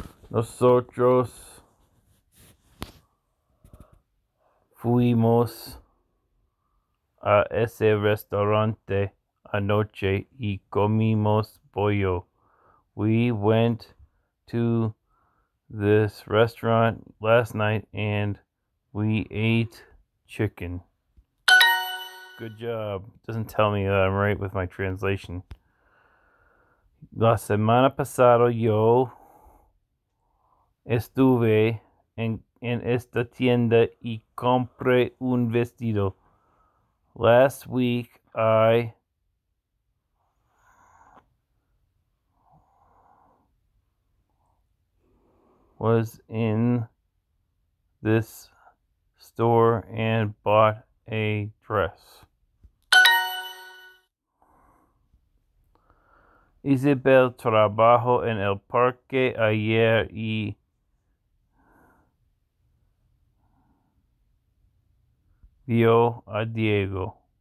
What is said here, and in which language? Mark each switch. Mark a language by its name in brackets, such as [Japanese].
[Spanish] Nosotros fuimos a ese restaurante anoche y comimos pollo. [English] We went to this restaurant last night and we ate chicken. Good job. Doesn't tell me that I'm right with my translation. [Spanish] La semana pasada yo estuve en esta tienda y compré un vestido. [English] Last week I was in this store and bought a dress. [Spanish] Isabel trabajó en el parque ayer y vio a Diego.